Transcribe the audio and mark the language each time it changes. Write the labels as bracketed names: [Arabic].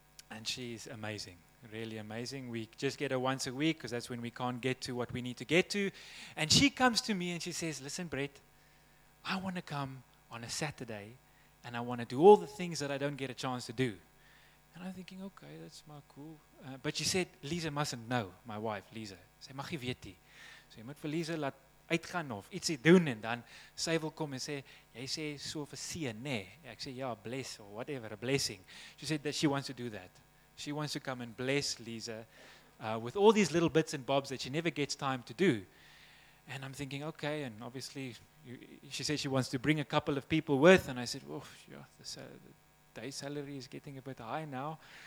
[English] And she's amazing, really amazing. We just get her once a week because that's when we can't get to what we need to get to. And she comes to me and she says, listen, Brett, I want to come on a Saturday and I want to do all the things that I don't get a chance to do. And I'm thinking, okay, that's my cool. But she said, Lisa mustn't know, my wife, Lisa. [Afrikaans] Sy mag nie weet nie. [English] So you must for [Afrikaans] Lisa let uitgaan of ietsie doen en dan sy wil kom en sê, jy sê so vir seën, nê? Ek sê, ja, [English] bless or whatever, a blessing. She said that she wants to do that. She wants to come and bless Lisa with all these little bits and bobs that she never gets time to do. And I'm thinking, okay, and obviously she said she wants to bring a couple of people with, and I said, well, yeah, the day salary is getting a bit high now.